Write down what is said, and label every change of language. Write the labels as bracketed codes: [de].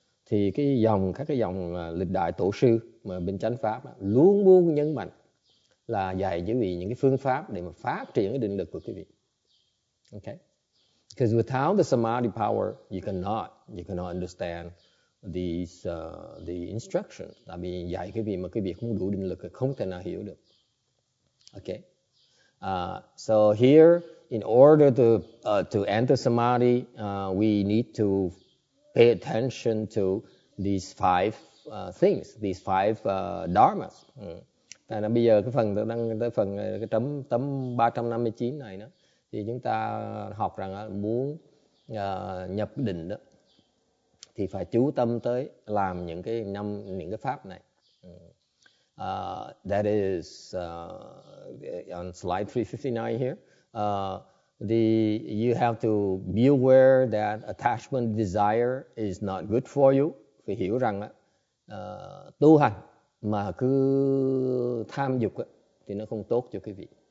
[vi] Thì các cái dòng lịch đại tổ sư mà bên chánh pháp luôn luôn nhấn mạnh là dạy quý vị những cái phương pháp để mà phát triển cái định lực của quý vị. [en] Okay. Because without the samadhi power, you cannot understand the instructions. [vi] Tại vì dạy quý vị mà quý vị không đủ định lực thì không thể nào hiểu được. [en] Okay. So here, in order to enter samadhi, we need to pay attention to these five things, these five dharmas. [vi] Tại nên bây giờ cái phần đang tới phần cái tấm 359 này đó, thì chúng ta học rằng muốn nhập định đó thì phải chú tâm tới làm những cái pháp này. [en] That is on slide 359 here. You have to be aware that attachment desire is not good for you. [vi] Phải hiểu rằng tu hành mà cứ tham dục thì nó không tốt cho quý vị.